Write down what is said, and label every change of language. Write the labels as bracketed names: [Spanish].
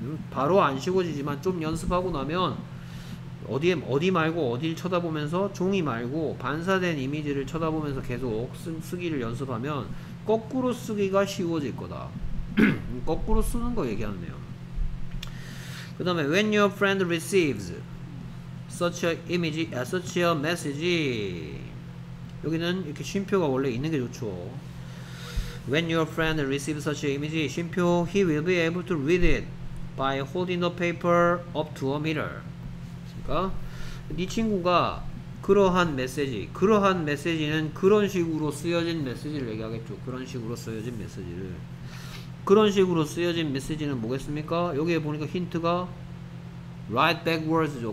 [Korean] 바로 안 쉬워지지만 좀 연습하고 나면 어디 말고 어디를 쳐다보면서 종이 말고 반사된 이미지를 쳐다보면서 계속 쓰기를 연습하면 거꾸로 쓰기가 쉬워질 거다. 거꾸로 쓰는 거 얘기하네요. [English] 그 다음에 When your friend receives such a image as such a message. [Korean] 여기는 이렇게 쉼표가 원래 있는 게 좋죠. [English] When your friend receives such an image, 쉼표, he will be able to read it by holding the paper up to a mirror. [Korean] 그러니까 네 친구가 그러한 메시지는 그런 식으로 쓰여진 메시지를 얘기하겠죠. 그런 식으로 쓰여진 메시지는 뭐겠습니까? 여기에 보니까 힌트가 write backwards 죠.